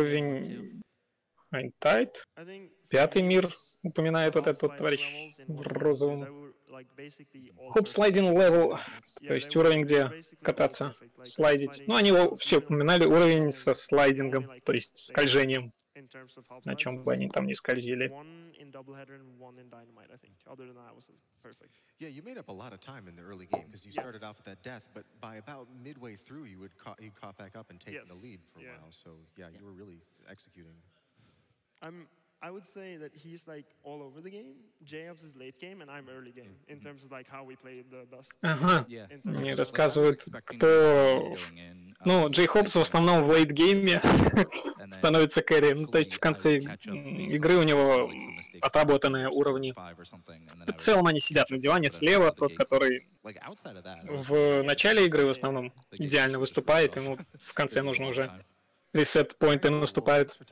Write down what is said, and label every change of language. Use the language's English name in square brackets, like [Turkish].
[Russian] Уровень Хайнтайт. Пятый мир упоминает вот этот вот товарищ в розовом. Хопслайдинг левел, то есть уровень, где кататься, слайдить. Ну, они все упоминали уровень со слайдингом, то есть скольжением. На чем бы они там ни скользили. [English] Yeah, you made up a lot of time in the early game because you started off at that death, but by about midway through, you would caught back up and taken the lead for a while. So yeah, you were really executing. I would say that he's like all over the game. Jobs is late game, and I'm early game in terms of like how we played the best. [Russian] Ага. Мне рассказывают, кто Ну, Джей Хоббс в основном в лейт-гейме становится кэрри. Ну, то есть в конце игры у него отработанные уровни. В целом они сидят на диване слева, тот, который в начале игры в основном идеально выступает, ему в конце нужно уже ресет-поинты наступают.